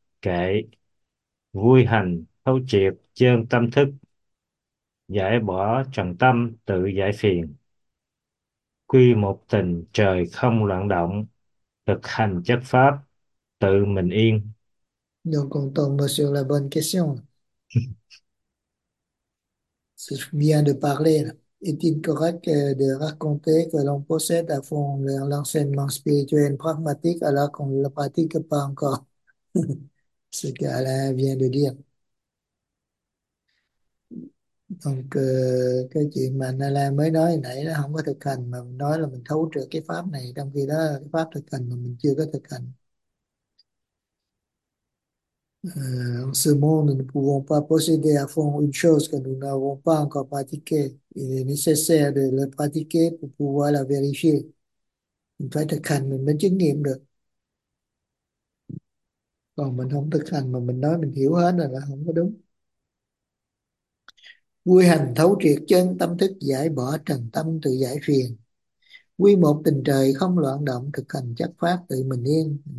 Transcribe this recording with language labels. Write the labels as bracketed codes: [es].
[vi] Kệ, vui hành thấu triệt chân tâm thức, giải bỏ trần tâm tự giải phiền. Quy một tình trời không loạn động, thực hành chất pháp tự mình yên. [fr] Donc, on tombe sur la bonne question. Si je viens de parler, est-il correct de raconter que l'on possède à fond l'enseignement spirituel pragmatique alors qu'on ne le pratique pas encore? Ce qu'Alain vient de dire. [vi] Donc, cái chuyện mà Alain mới nói nãy là không có thực hành mà nói là mình thấu triệt cái pháp này, trong khi đó cái pháp thực hành mà mình chưa có thực hành. [fr] En ce monde, nous ne pouvons pas posséder à fond une chose que nous n'avons pas encore pratiquée. Il est nécessaire de la pratiquer pour pouvoir la vérifier. [vi] Mình phải thực hành mình mới chứng nghiệm được. Còn mình không thực hành mà mình nói mình hiểu hết là không có đúng. Quy hành thấu triệt chân tâm thức, giải bỏ trần tâm tự giải phiền. Quy một tình trời không loạn động, thực hành chất pháp tự mình yên.